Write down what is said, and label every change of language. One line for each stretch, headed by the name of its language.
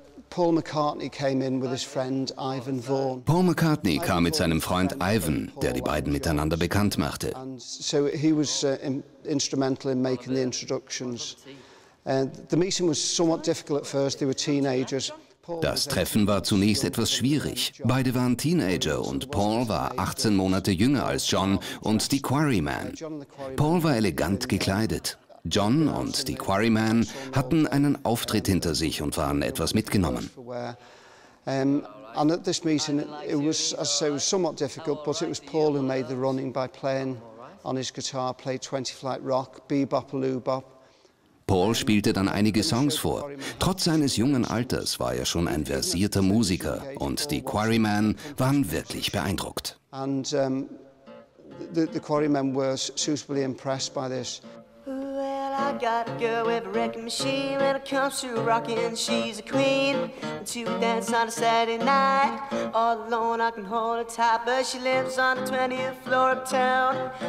English: Paul McCartney came in with his friend Ivan Vaughan.
German: Paul McCartney kam mit seinem Freund Ivan, der die beiden miteinander bekannt machte.
English: So he was instrumental in making the introductions. The meeting was somewhat difficult at first. They were teenagers.
German: Das Treffen war zunächst etwas schwierig. Beide waren Teenager und Paul war 18 Monate jünger als John und die Quarrymen. Paul war elegant gekleidet. John und die Quarrymen hatten einen Auftritt hinter sich und waren etwas mitgenommen.
English: And at this meeting it was, as I say, was somewhat difficult, but it was Paul who made the running by playing on his guitar, played 20 Flight Rock, Bebop, Lubop.
German: Paul spielte dann einige Songs vor. Trotz seines jungen Alters war er schon ein versierter Musiker und die Quarrymen waren wirklich beeindruckt.
English: And the Quarrymen were suitably impressed by this. I got a girl with a wrecking machine. When it comes to rocking, she's a queen. To dance on a Saturday night, all alone, I can hold her tight. But she lives on the 20th floor of town.